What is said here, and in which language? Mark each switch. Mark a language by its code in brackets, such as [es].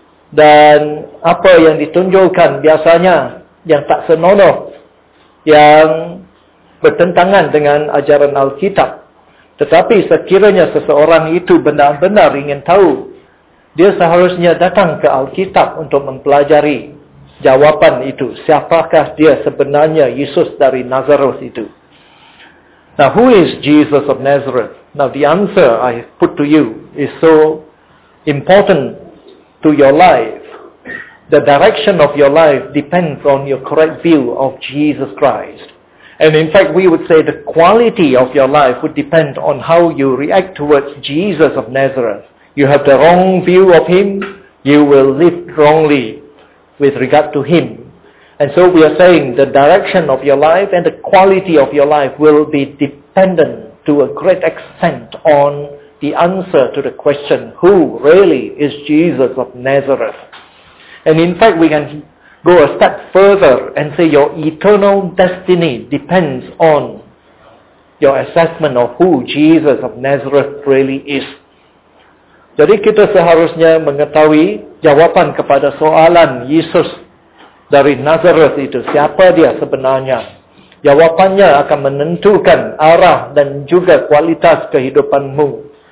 [ms] Dan apa yang ditonjolkan biasanya yang tak senonoh, yang bertentangan dengan ajaran Alkitab. Tetapi sekiranya seseorang itu benar-benar ingin tahu, dia seharusnya datang ke Alkitab untuk mempelajari jawapan itu. Siapakah dia sebenarnya Yesus dari Nazareth itu? [en] Now, who is Jesus of Nazareth? Now, the answer I put to you is so important to your life. The direction of your life depends on your correct view of Jesus Christ. And in fact, we would say the quality of your life would depend on how you react towards Jesus of Nazareth. You have the wrong view of him, you will live wrongly with regard to him. And so we are saying the direction of your life and the quality of your life will be dependent to a great extent on the answer to the question, who really is Jesus of Nazareth? And in fact, we can go a step further and say your eternal destiny depends on your assessment of who Jesus of Nazareth really is. [ms] Jadi kita seharusnya mengetahui jawapan kepada soalan Yesus dari Nazareth itu, siapa dia sebenarnya. Jawapannya akan menentukan arah dan juga kualitas kehidupanmu.